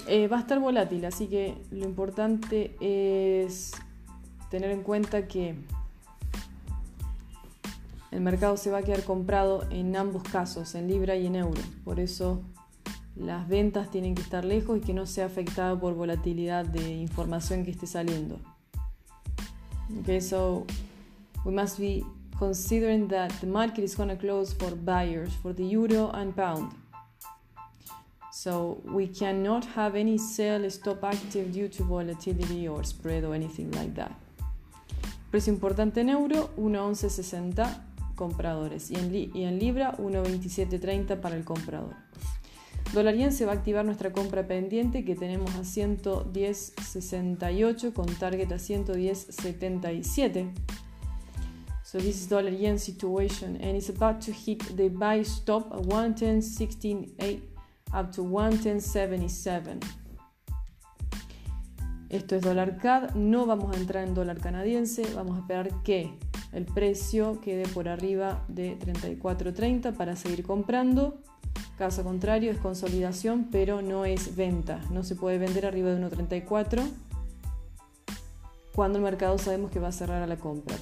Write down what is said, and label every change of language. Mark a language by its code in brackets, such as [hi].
[es] Va a estar volátil, así que lo importante es tener en cuenta que el mercado se va a quedar comprado en ambos casos, en libra y en euro. Por eso las ventas tienen que estar lejos y que no sea afectada por volatilidad de información que esté saliendo. [en] Okay, so we must be considering that the market is going to close for buyers for the euro and pound. So we cannot have any sell stop active due to volatility or spread or anything like that. [es] Precio importante en euro, 1.1160 compradores y en libra 1.2730 para el comprador. Dólar yen se va a activar nuestra compra pendiente que tenemos a 110.68 con target a 110.77. [en] So this is dollar yen situation and it's about to hit the buy stop at 110.16.8 up to 110.77. [es] Esto es dólar CAD, no vamos a entrar en dólar canadiense, vamos a esperar que el precio quede por arriba de 34.30 para seguir comprando. Caso contrario, es consolidación, pero no es venta. No se puede vender arriba de 1.34 cuando el mercado sabemos que va a cerrar a la compra.